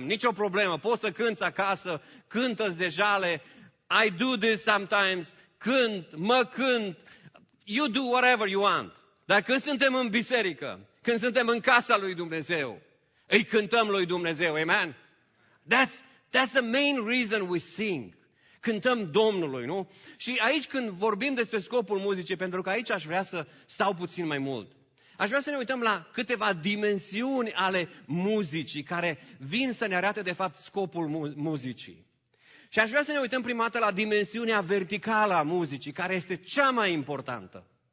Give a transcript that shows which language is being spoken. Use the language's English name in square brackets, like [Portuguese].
[Romanian] Nicio problemă, poți să cânți acasă, cântă-ți de jale, [English] I do this sometimes, [Romanian] cânt, mă cânt, [English] you do whatever you want. [Romanian] Dar când suntem în biserică, când suntem în casa lui Dumnezeu, îi cântăm lui Dumnezeu, amen? [English] That's the main reason we sing. [Romanian] Cântăm Domnului, nu? Și aici când vorbim despre scopul muzicii, pentru că aici aș vrea să stau puțin mai mult, aș vrea să ne uităm la câteva dimensiuni ale muzicii care vin să ne arate de fapt scopul muzicii. Și aș vrea să ne uităm prima dată la dimensiunea verticală a muzicii, care este cea mai importantă.